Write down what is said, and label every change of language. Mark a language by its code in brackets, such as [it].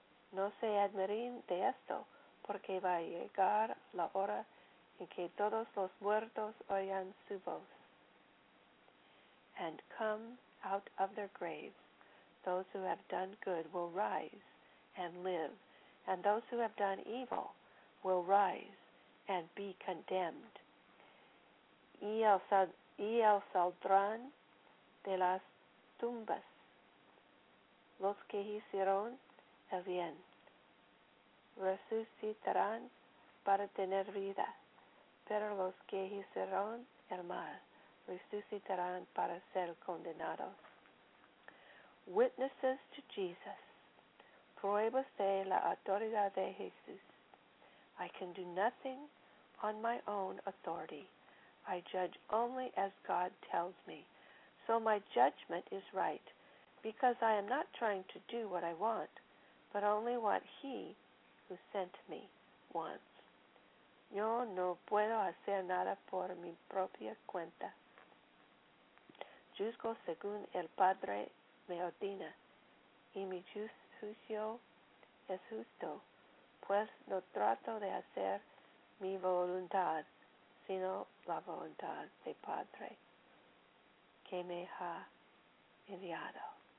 [es] No se admiren de esto, porque va a llegar la hora en que todos los muertos oigan su voz [en] and come out of their graves. Those who have done good will rise and live, and those who have done evil will rise and be condemned. [es] Y el saldrán de las tumbas los que hicieron el bien. Resucitarán para tener vida, pero los que hicieron el mal resucitarán para ser condenados. [en] Witnesses to Jesus. [es] Pruebas de la autoridad de Jesús. [en] I can do nothing on my own authority. I judge only as God tells me. So my judgment is right, because I am not trying to do what I want, but only what He who sent me wants. [es] Yo no puedo hacer nada por mi propia cuenta. Juzgo según el Padre me ordena, y mi juicio es justo, pues no trato de hacer mi voluntad, sino la voluntad del Padre que me ha enviado.